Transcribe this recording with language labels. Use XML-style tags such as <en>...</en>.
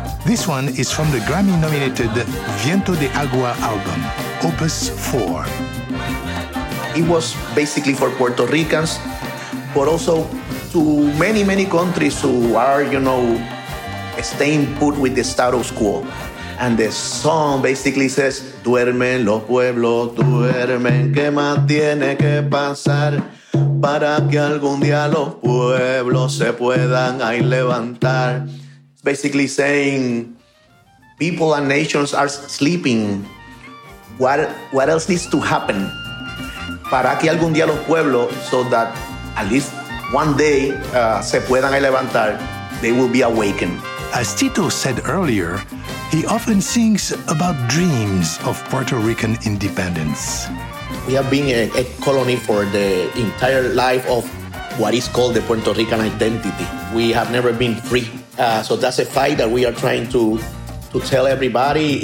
<en>This one is from the Grammy-nominated Viento de Agua album, Opus 4. It was basically for Puerto Ricans, but also to many, many countries who are, you know, staying put with the status quo. And the song basically says,</en> <es>duermen los pueblos, duermen, ¿qué más tiene que pasar para que algún día los pueblos se puedan ahí levantar?</es> <en>It's basically saying, people and nations are sleeping. What else needs to happen?</en> <es>Para que algún día los pueblos,</es> <en>so that at least one day</en> <es>se puedan ahí levantar,</es> <en>they will be awakened. As Tito said earlier, he often sings about dreams of Puerto Rican independence. We have been a colony for the entire life of what is called the Puerto Rican identity. We have never been free. So that's a fight that we are trying to tell everybody.</en>